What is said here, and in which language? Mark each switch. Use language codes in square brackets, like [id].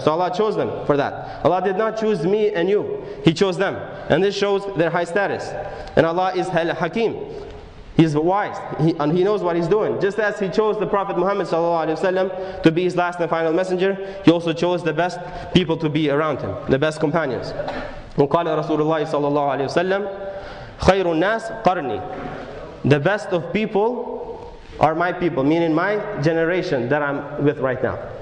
[en] So Allah chose them for that. Allah did not choose me and you. He chose them. And this shows their high status. And Allah is Al-Hakim. He's wise. He knows what He's doing. Just as He chose the Prophet Muhammad sallallahu alaihi wasallam to be His last and final messenger, He also chose the best people to be around Him, the best companions. [ar] وقال رسول الله صلى الله عليه وسلم خير الناس قرني. [en] The best of people are my people, meaning my generation that I'm with right now.